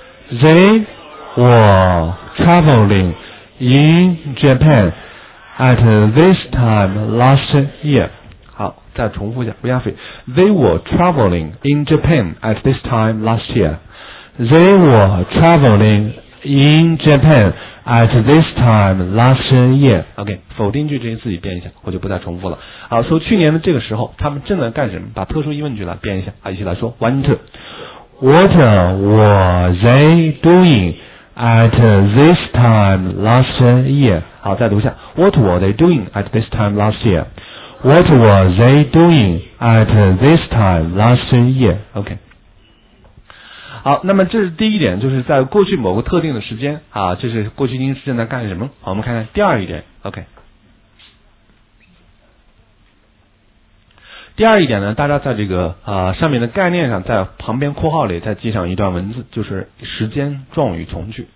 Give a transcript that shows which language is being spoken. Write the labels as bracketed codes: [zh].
[en] They were traveling in Japan at this time last year. [zh] 好，再重复一下 [en] Rianfi, They were traveling in Japan at this time last year. They were traveling in Japan at this time last year. OK, [zh] 否定句之前自己编一下，我就不再重复了。好，说去年的这个时候他们正在干什么，把特殊疑问句来编一下。好，一起来说 [en] One, two. What were they doing at this time last year? [zh] 好，再读一下 [en] What were they doing at this time last year? What were they doing at this time last year? OK. [zh] 好，那么这是第一点，就是在过去某个特定的时间啊，这是过去进行时正在干什么。好，我们看看第二一点。 [en] OK. [zh] 第二一点呢，大家在这个上面的概念上，在旁边括号里再记上一段文字，就是时间状语从句。